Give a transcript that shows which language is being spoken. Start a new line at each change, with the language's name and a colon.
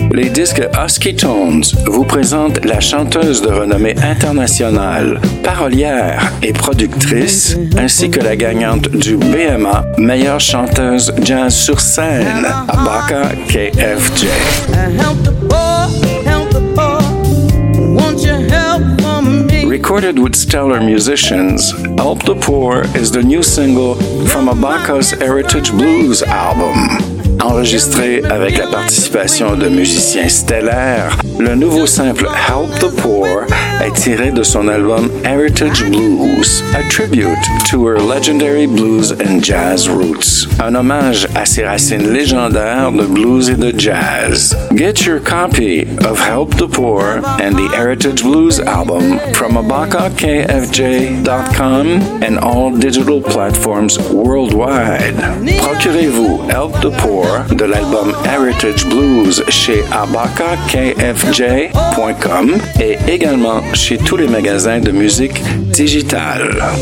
French: Les disques Husky Tones vous présentent la chanteuse de renommée internationale, parolière et productrice, ainsi que la gagnante du BMA, meilleure chanteuse jazz sur scène, Abaka KFJ.
English: Recorded with stellar musicians, Help the Poor is the new single from Abaka's Heritage Blues album.
French: Enregistré avec la participation de musiciens stellaires, le nouveau simple Help the Poor est tiré de son album Heritage Blues,
English: a tribute to her legendary blues and jazz roots.
French: Un hommage à ses racines légendaires de blues et de jazz.
English: Get your copy of Help the Poor and the Heritage Blues album from abakakfj.com and all digital platforms worldwide.
French: Procurez-vous Help the Poor de l'album Heritage Blues chez abakakfj.com et également chez tous les magasins de musique digitale.